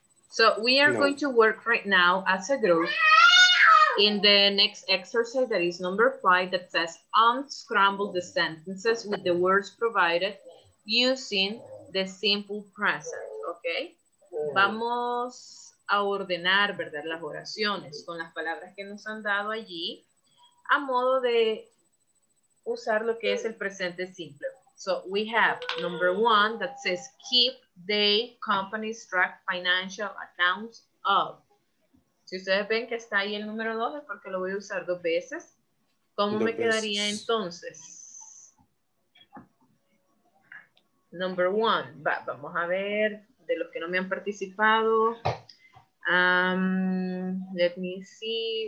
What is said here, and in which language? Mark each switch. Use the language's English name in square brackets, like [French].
[English] So we are going to work right now as a group in the next exercise that is number 5 that says unscramble the sentences with the words provided using the simple present, okay? [Spanish] Vamos a ordenar, ¿verdad?, las oraciones con las palabras que nos han dado allí a modo de usar lo que es el presente simple. [English] So we have number 1 that says keep the company's track financial accounts of. [Spanish] Si ustedes ven que está ahí el número 2 es porque lo voy a usar dos veces. ¿Cómo dos me quedaría veces. Entonces? [English] Number 1. [Spanish] Va, vamos a ver de los que no me han participado. [English] Let me see.